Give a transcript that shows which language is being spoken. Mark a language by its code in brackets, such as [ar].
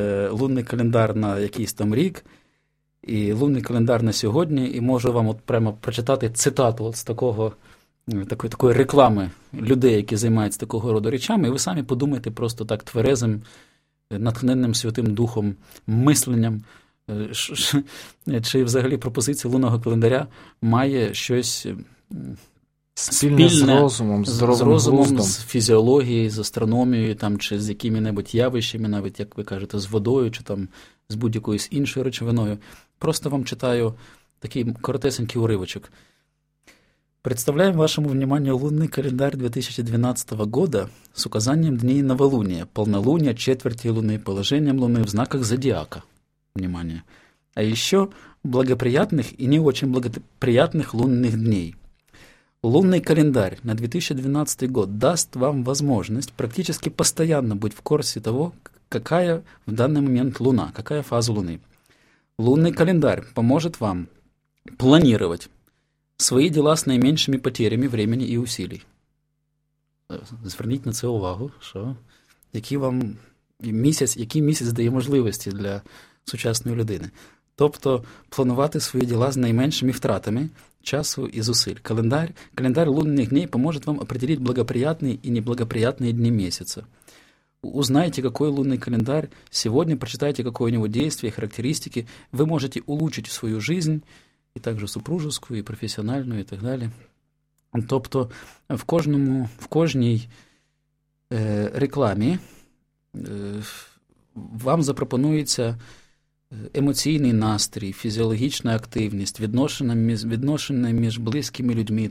[uk] лунний календар на якийсь там рік, і лунний календар на сьогодні, і можу вам от прямо прочитати цитату от з такого, такої реклами людей, які займаються такого роду речами, і ви самі подумайте просто так тверезим, натхненним Святим Духом, мисленням, чи взагалі пропозиція лунного календаря має щось спільне з розумом, з фізіологією, з астрономією, там, чи з якими-небудь явищами, навіть, як ви кажете, з водою, чи там з будь-якою іншою речовиною. Просто вам читаю такий коротесенький уривочок. [ru] Представляємо вашому вниманию лунный календарь 2012 года с указанием дней новолуния, полнолуния, четверти луны, положением луны в знаках зодиака. Внимание. А еще благоприятных и не очень благоприятных лунных дней. Лунный календарь на 2012 год даст вам возможность практически постоянно быть в курсе того, какая в данный момент луна, какая фаза луны. Лунный календарь поможет вам планировать [uk] свої діла з найменшими [ru] потерями времени і усилий. [uk] Зверніть на це увагу, що який вам місяць, який місяць дає можливості для сучасної людини. Тобто планувати свої діла з найменшими втратами часу і зусиль. Календар лунних днів поможе вам определити благоприятні і неблагоприятні дні місяця. [ru] Узнайте, какой лунный календарь сегодня, прочитайте, какое у него действие, характеристики. Вы можете улучшить свою жизнь, [uk] і також супружеську, і професіональну, і так далі. Тобто в кожній рекламі вам запропонується емоційний настрій, фізіологічна активність, відношення між близькими людьми.